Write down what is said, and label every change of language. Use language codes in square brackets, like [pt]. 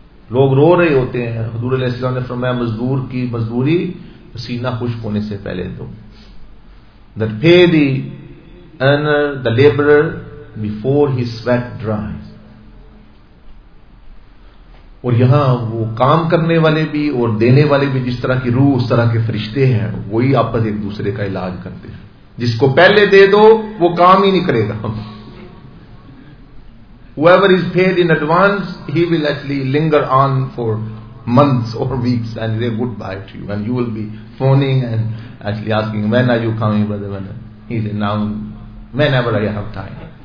[ur] لوگ رو رہے ہوتے ہیں, حضور علیہ السلام نے فرمایا مزدور کی مزدوری سینہ خشک ہونے سے پہلے دو. [en] That pay the earner, the laborer before his sweat dries. [ur] اور یہاں وہ کام کرنے والے بھی اور دینے والے بھی جس طرح کی روح اس طرح کے فرشتے ہیں وہی آپس ایک دوسرے کا علاج کرتے ہیں. جس کو پہلے دے دو وہ کام ہی نہیں کرے گا. [en] Whoever is paid in advance, he will actually linger on for months or weeks and say goodbye to you. And you will be phoning and actually asking, when are you coming, brother? When? He said, now, whenever I have time.